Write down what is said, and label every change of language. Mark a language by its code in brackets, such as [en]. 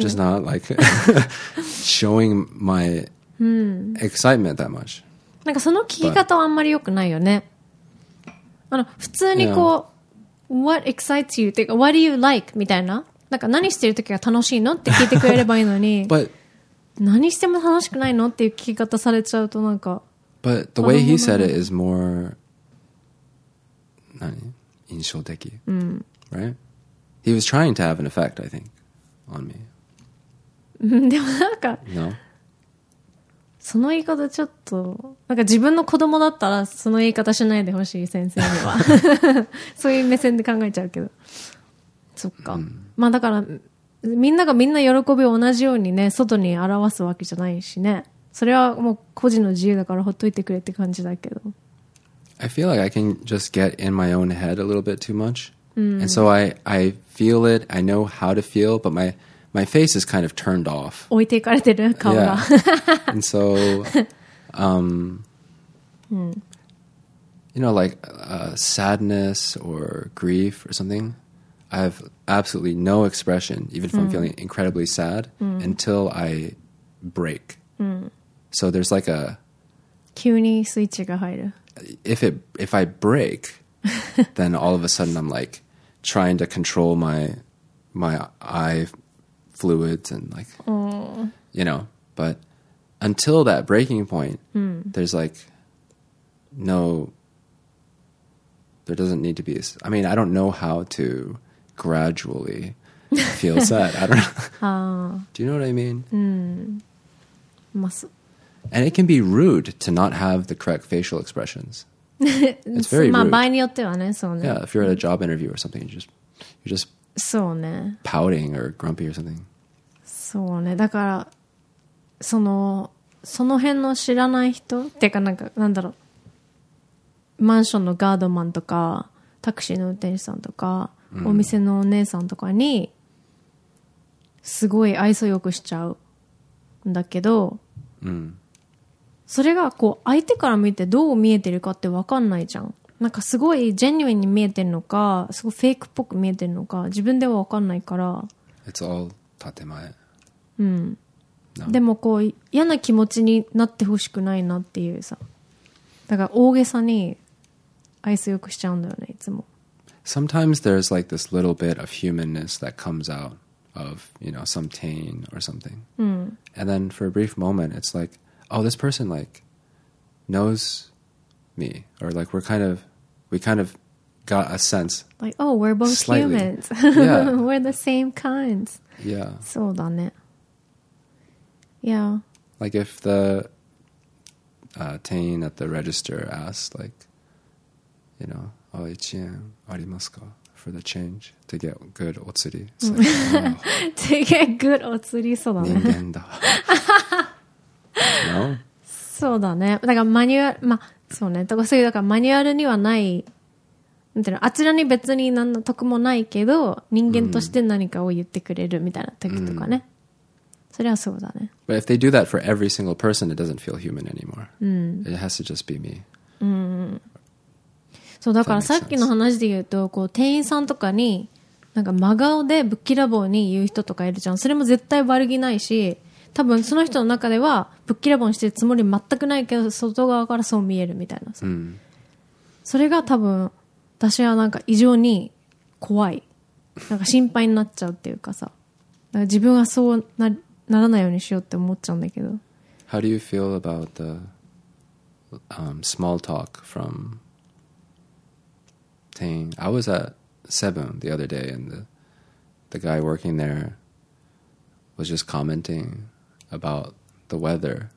[en] Maybe I'm just not like showing my excitement that much. [ja] なんかその聞き方はあんまり良くないよね。あの普通にこう、yeah. [en] What excites you? [ja] ってか [en] What do you like? [ja] みたいな。なんか何してる時が楽しいのって聞いてくれればいいのに。 [en] But [ja] 何しても楽しくないのっていう聞き方されちゃうとなんか。 [en] But the way he said it is more [ja] 何印象的。うん。 [en] Right? He was trying to have an effect, I think, on me. [ja] でもなんか、 [en] no? [ja] その言い方ちょっとなんか自分の子供だったらその言い方しないでほしい先生にはそういう目線で考えちゃうけどそっか、mm. まあだからみんながみんな喜びを同じようにね外に表すわけじゃないしねそれはもう個人の自由だからほっといてくれって感じだけど [en] I feel like I can just get in my own head a little bit too muchAnd so I feel it, I know how to feel, but my face is kind of turned off. [ja] 置いていかれてる顔が。 [en] Yeah. And so, you know, like sadness or grief or something, I have absolutely no expression, even if I'm feeling incredibly sad, until I break. So there's like a... [ja] 急にスイッチが入る。 [en] If I break, then all of a sudden I'm like... trying to control my eye fluids and like、you know but until that breaking point、there's like no there doesn't need to be I mean I don't know how to gradually feel sad I don't know do you know what I mean、and it can be rude to not have the correct facial expressionsIt's very rude. [ja] まあ場合によってはね、そうね。 [en] Yeah, if you're at a job interview or something, you're just [ja] そうね。 [en] Pouting or grumpy or something. [ja] そうね。だから、その辺の知らない人っていうかなんか、なんだろう。マンションのガードマンとかタクシーの運転手さんとか、うん、お店のお姉さんとかにすごい愛想よくしちゃうんだけど、うん、それがこう相手から見てどう見えてるかって分かんないじゃん。なんかすごいジェニュインに見えてるのか、すごいフェイクっぽく見えてるのか自分では分かんないから、 [en] It's all 建前。 [ja] うん、でもこう嫌な気持ちになってほしくないなっていうさ、だから大げさに愛想よくしちゃうんだよねいつも。 [en] Sometimes there's like this little bit of humanness that comes out of, you know, some pain or something、 [ja] うん、 [en] and then for a brief moment it's like, oh, this person like knows me, or like we kind of got a sense like, oh, we're both、 slightly. humans、 yeah. we're the same kind、 yeah. [ja] そうだね。Yeah. [en] Like if the teen at the register asked, like, you know, oh, [ja] 1円ありますか? [en] For the change to get good お釣り. It's like, oh. to get good お釣り, [ja] そうだね。人間だ。 [en] No? [ja] そうだね。だからマニュアル、まあ、そうね。そういう、だからマニュアルにはない、なんていうの、あちらに別に何の得もないけど、人間として何かを言ってくれるみたいな時とかね。 Mm. それはそうだね。 [en] But if they do that for every single person, it doesn't feel human anymore.、 [ja] うん、 [en] it has to just be me. [ja] うん。そう、だからさっきの話で言うと、こう、店員さんとかに、なんか真顔でぶっきらぼうに言う人とかいるじゃん。それも絶対悪気ないし、多分その人の中ではぶっきらぼうにしてるつもり全くないけど、外側からそう見えるみたいなさ。うん、それが多分、私はなんか異常に怖い。なんか心配になっちゃうっていうかさ。なんか自分はそうなり、ならないようにしようって思っちゃうんだけど。 [en] How do you feel about the、small talk from Tain? I was at Seven the other day and the guy working there was just commenting about the weather、